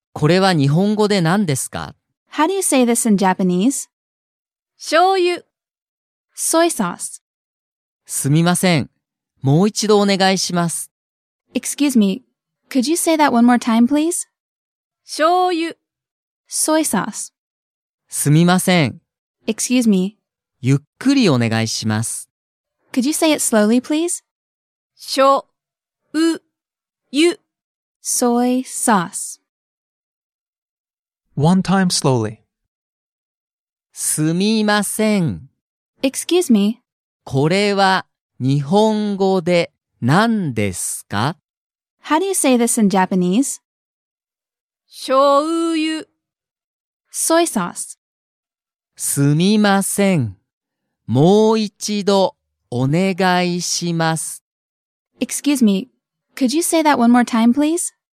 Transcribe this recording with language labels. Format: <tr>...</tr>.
<ja>これは日本語で何ですか?</ja> <en>How do you say this in Japanese?</en> <ja>醤油。</ja> <en>Soy sauce.</en> <ja>すみません。もう一度お願いします。</ja> <en>Excuse me. Could you say that one more time, please?</en> <ja>醤油。</ja> <en>Soy sauce.</en> <ja>すみません。</ja> <en>Excuse me.</en> <ja>ゆっくりお願いします。</ja> <en>Could you say it slowly, please?</en> <ja>醤油。</ja> <en>Soy sauce. One time slowly.</en> <ja>すみません。</ja> <en>Excuse me.</en> <ja>これは日本語で何ですか?</ja> <en>How do you say this in Japanese?</en> <ja>醤油。</ja> <en>Soy sauce.</en> <ja>すみません。もう一度お願いします。</ja> <en>Excuse me. Could you say that one more time, please?</en>